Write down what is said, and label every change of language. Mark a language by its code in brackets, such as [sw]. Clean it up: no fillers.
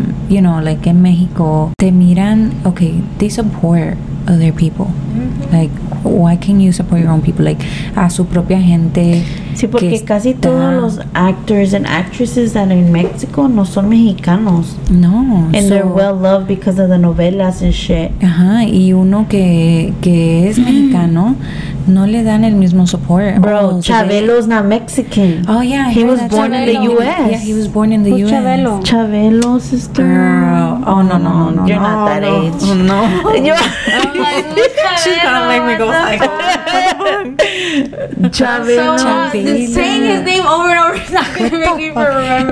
[en] You know, like in Mexico, [es] te miran, [en] okay, they support other people. Mm-hmm. Like, why can't you support your own people? [es] Like, a su propia gente. Sí, porque casi todos los [en] actors and actresses that are in Mexico [es] no son mexicanos. No. [en] And they're well loved because of the novelas and shit. [es] Ajá, y uno que es mexicano, no le dan el mismo support. [en] Bro, Chabelo's not Mexican. Oh, yeah. He was born in the U.S. Yeah, he was born in the U.S. Chabelo? Chabelo, sister. Girl. Oh, no. You're not that age. No. She's gonna make me go like Chabelo. Saying his name over and over is not gonna make me remember.